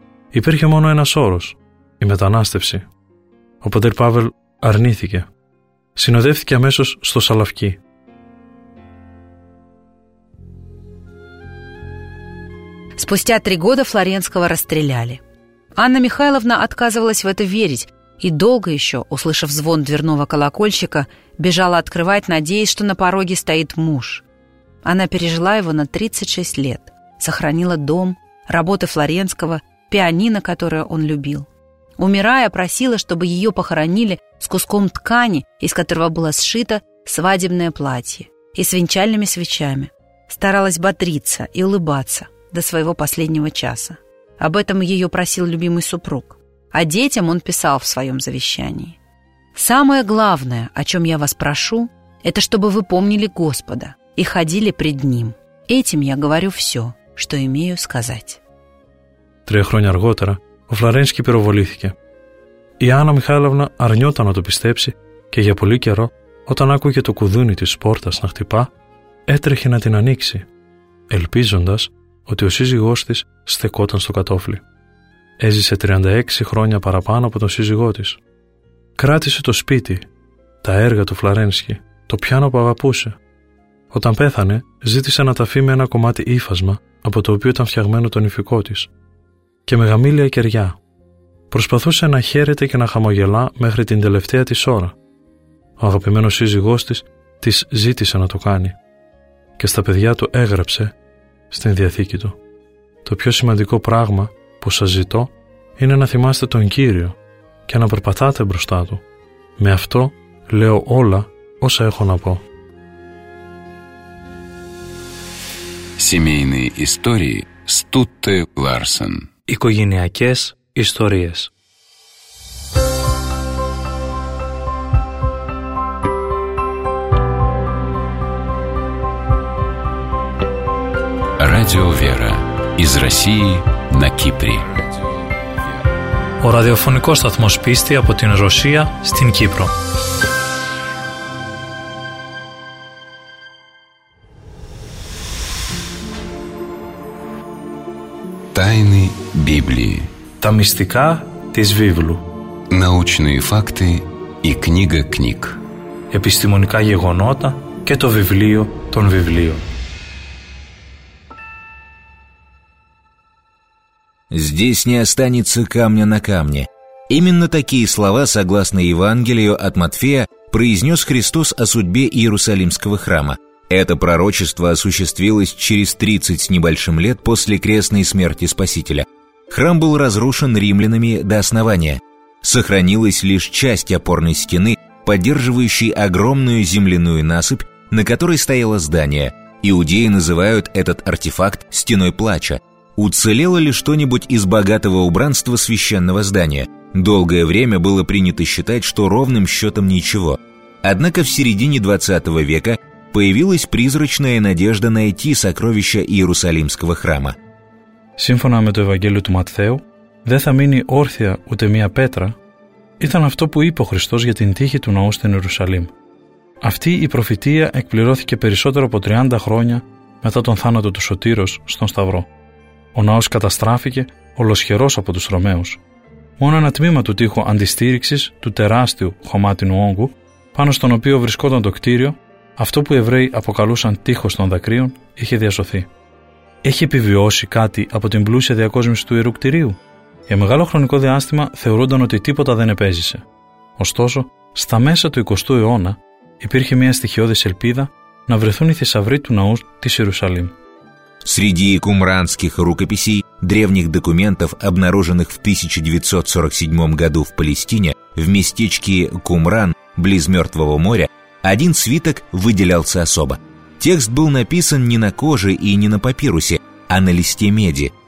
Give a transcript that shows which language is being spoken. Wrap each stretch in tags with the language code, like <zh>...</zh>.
<el>Υπήρχε μόνο ένας όρος, η μετανάστευση. Ο πατέρ Πάβελ αρνήθηκε. Συνοδεύτηκε αμέσως στο Σαλαυκί.</el> <ru>Спустя 3 года Флоренского расстреляли. Анна Михайловна отказывалась в это верить и долго еще, услышав звон дверного колокольчика, бежала открывать, надеясь, что на пороге стоит муж. Она пережила его на 36 лет, сохранила дом, работы Флоренского, пианино, которое он любил. Умирая, просила, чтобы ее похоронили с куском ткани, из которого было сшито свадебное платье, и с венчальными свечами. Старалась бодриться и улыбаться до своего последнего часа. Об этом ее просил любимый супруг. А детям он писал в своем завещании: «Самое главное, о чем я вас прошу, это чтобы вы помнили Господа и ходили пред Ним. Этим я говорю все, что имею сказать».</ru> <el>3 года аргότερα ο Φλαρένσκι πυροβολήθηκε. Η Άννα Μιχάλευνα αρνιόταν να το πιστέψει και για πολύ καιρό, όταν άκουγε το κουδούνι της πόρτας να χτυπά, έτρεχε να την ανοίξει, ελπίζοντας ότι ο σύζυγός της στεκόταν στο κατόφλι. Έζησε 36 χρόνια παραπάνω από τον σύζυγό της. Κράτησε το σπίτι, τα έργα του Φλαρένσκι, το πιάνο που αγαπούσε. Όταν πέθανε, ζήτησε να ταφεί με ένα κομμάτι ύφασμα από το οποίο ήταν φτιαγμένο το νηφικό της και με γαμήλια κεριά. Προσπαθούσε να χαίρεται και να χαμογελά μέχρι την τελευταία της ώρα. Ο αγαπημένος σύζυγός της ζήτησε να το κάνει και στα παιδιά του έγραψε στην Διαθήκη του: «Το πιο σημαντικό πράγμα που σας ζητώ είναι να θυμάστε τον Κύριο και να περπατάτε μπροστά Του. Με αυτό λέω όλα όσα έχω να πω».</el> <ru>Семейные истории Стутте Ларсен.</ru> <el>Οικογενειακές ιστορίες.</el> <ru>Радио Вера. Из России на Кипре.</ru> <el>Ο ραδιοφωνικός σταθμός Πίστη από την Ρωσία στην Κύπρο.</el> <ru>Тайны Библии.</ru> <el>Τα μυστικά της Βίβλου.</el> <ru>Научные факты и книга книг.</ru> <el>Επιστημονικά γεγονότα και το βιβλίο των βιβλίων.</el> <ru>«Здесь не останется камня на камне». Именно такие слова, согласно Евангелию от Матфея, произнес Христос о судьбе Иерусалимского храма. Это пророчество осуществилось через 30 с небольшим лет после крестной смерти Спасителя. Храм был разрушен римлянами до основания. Сохранилась лишь часть опорной стены, поддерживающей огромную земляную насыпь, на которой стояло здание. Иудеи называют этот артефакт «стеной плача». Уцелело ли что-нибудь из богатого убранства священного здания? Долгое время было принято считать, что ровным счетом ничего. Однако в середине 20 века появилась призрачная надежда найти сокровища Иерусалимского храма.</ru> <el>Σύμφωνα με το Ευαγγέλιο του Ματθαίου, δεν θα μείνει όρθια ούτε μία πέτρα, ήταν αυτό που είπε ο Χριστός για την τύχη του ναού στην Ιερουσαλήμ. Αυτή η προφητεία εκπληρώθηκε περισσότερο από 30 χρόνια μετά τον θάνατο του Σωτήρος στον Σταυρό. Ο ναός καταστράφηκε ολοσχερός από τους Ρωμαίους. Μόνο ένα τμήμα του τείχου αντιστήριξης του τεράστιου χωμάτινου όγκου, πάνω στον οποίο βρισκόταν το κτίριο, αυτό που οι Εβραίοι αποκαλούσαν τείχος των δακρύων, είχε διασωθεί. Έχει επιβιώσει κάτι από την πλούσια διακόσμηση του ιερού κτιρίου? Για μεγάλο χρονικό διάστημα θεωρούνταν ότι τίποτα δεν επέζησε. Ωστόσο, στα μέσα του 20ου αιώνα υπήρχε μια στοιχειώδης ελπίδα να βρεθούν οι θησαυροί του ναού της Ιερουσαλήμ.</el> <ru>Среди кумранских рукописей, древних документов, обнаруженных в 1947 году в Палестине, в местечке Кумран, близ Мертвого моря, один свиток выделялся особо. Текст был написан не на коже и не на папирусе, а на листе меди.</ru>